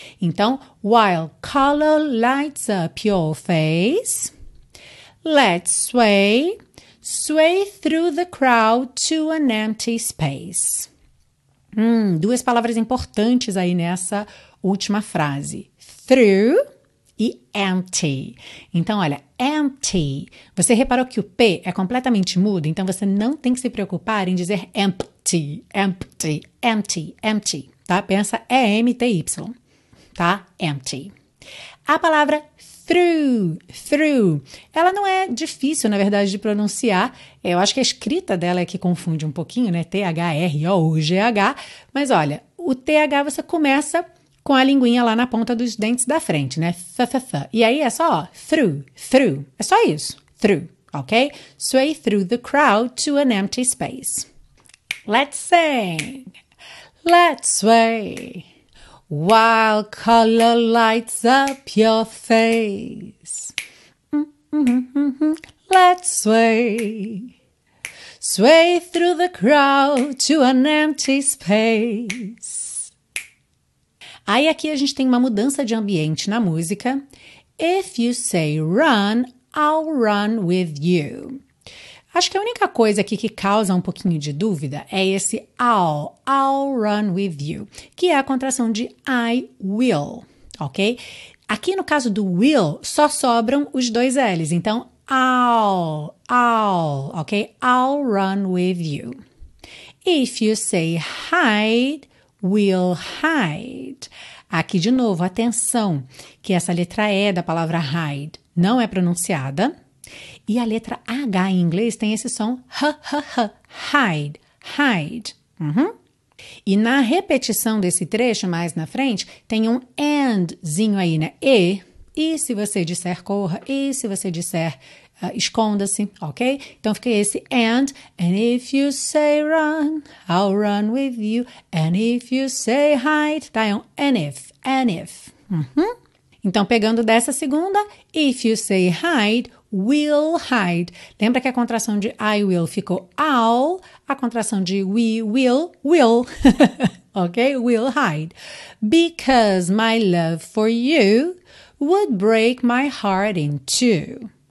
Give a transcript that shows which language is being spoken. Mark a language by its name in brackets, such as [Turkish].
[Portuguese] Então, [English] while color lights up your face, let's sway, sway through the crowd to an empty space. [Portuguese] Duas palavras importantes aí nessa última frase. Through e empty. Então, olha, empty. Você reparou que o P é completamente mudo, então você não tem que se preocupar em dizer empty. [English] Empty, empty, empty, empty, tá? Pensa E-M-T-Y, tá? Empty. [Portuguese] A palavra through, through, ela não é difícil, na verdade, de pronunciar. Eu acho que a escrita dela é que confunde um pouquinho, né? T-H-R-O-U-G-H. Mas olha, o T-H você começa com a linguinha lá na ponta dos dentes da frente, né? Th-th-th. E aí é só, ó, through, through. É só isso, through, ok? [English] Sway through the crowd to an empty space. Let's sing. Let's sway. While color lights up your face. Let's sway. Sway through the crowd to an empty space. [Portuguese] Aí aqui a gente tem uma mudança de ambiente na música. [English] If you say run, I'll run with you. [Portuguese] Acho que a única coisa aqui que causa um pouquinho de dúvida é esse [English] I'll run with you, [Portuguese] que é a contração de I will, ok? Aqui no caso do will, só sobram os dois L's, então I'll, ok? [English] I'll run with you. If you say hide, we'll hide. [Portuguese] Aqui de novo, atenção, que essa letra E da palavra hide não é pronunciada. E a letra H em inglês tem esse som, hide, hide. Uhum. E na repetição desse trecho, mais na frente, tem um andzinho aí, né? E se você disser corra, e se você disser esconda-se, ok? Então fica esse [English] and if you say run, I'll run with you, and if you say hide, tá? [Portuguese] É um [English] and if. Uhum. [Portuguese] Então pegando dessa segunda, [English] if you say hide, will hide. [Portuguese] Lembra que a contração de I will ficou I'll, a contração de we will, ok? [English] Will hide. Because my love for you would break my heart in two,